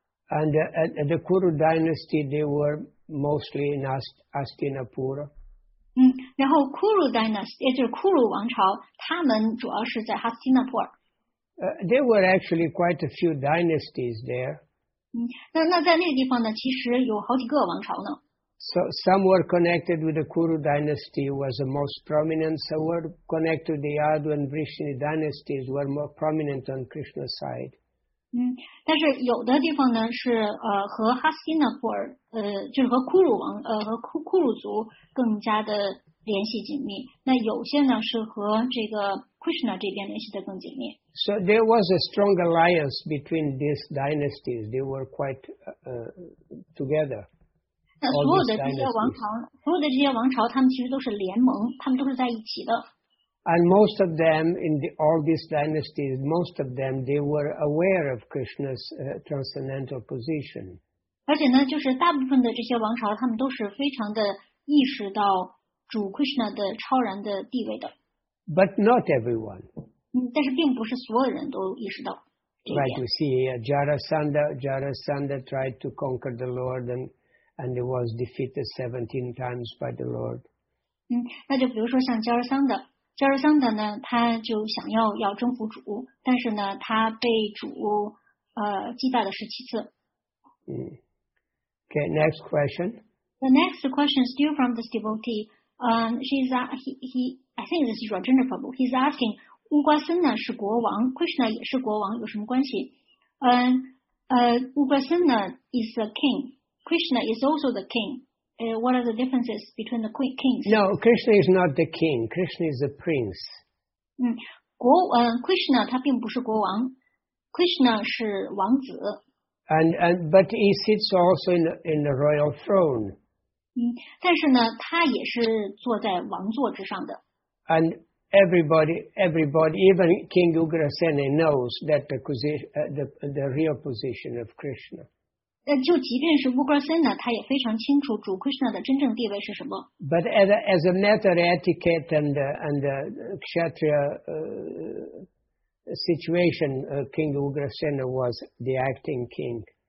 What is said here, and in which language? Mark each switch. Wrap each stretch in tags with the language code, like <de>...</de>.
<en>And the Kuru dynasty, they were mostly in Astinapura.</en> <zh>然后 Kuru dynasty, 也就是 Kuru 王朝，他们主要是在 Hastinapura.</zh> <en>There were actually quite a few dynasties there.</en> <zh>那在那个地方呢，其实有好几个王朝呢。</zh> <en>So some were connected with the Kuru dynasty was the most prominent. Some were connected with the Yadu and Vrishni dynasties were more prominent on Krishna's side.</en> <zh>但是有的地方呢是和哈斯那普尔就是和库鲁王和库鲁族更加的联系紧密。那有些呢是和这个 Krishna 这边联系的更紧密。</zh> <en>So there was a strong alliance between these dynasties. They were quite together.</en> <zh>所有的这些王朝他们其实都是联盟，他们都是在一起的。</zh> <en>And most of them, in all these dynasties, most of them, they were aware of Krishna's transcendental position.</en> <zh>而且呢，就是大部分的这些王朝，他们都是非常的意识到主 Krishna 的超然的地位的。</zh> <en>But not everyone.</en> <zh>但是并不是所有人都意识到这一点。</zh> <en>Right, you see, Jarasandha tried to conquer the Lord and he was defeated 17 times by the Lord.</en> <zh>那就比如说像 Jarasandha 呢，他就想要征服主，但是呢，他被主击败了17次。</zh> <en>Okay, next question. The next question is still from this devotee. I think this is Rajendra Prabhu. He's asking,</en> <zh>Ugrasena 是国王 ，Krishna 也是国王，有什么关系？</zh> <en>Ugrasena is the king. Krishna is also the king. What are the differences between the kings? No, Krishna is not the king. Krishna is a prince.</en> <zh>Krishna 他并不是国王 ，Krishna 是王子。</zh> <en>But he sits also in the royal throne.</en> <zh>但是呢，他也是坐在王座之上的。</zh> <en>And everybody, even King Ugrasena knows that the real position of Krishna.</en> <zh>就即便是 Ugrasena 他也非常清楚主 Krishna 的真正地位是什么。</zh> <en>But as a matter of etiquette and Kshatriya situation, King Ugrasena was the acting king.</en>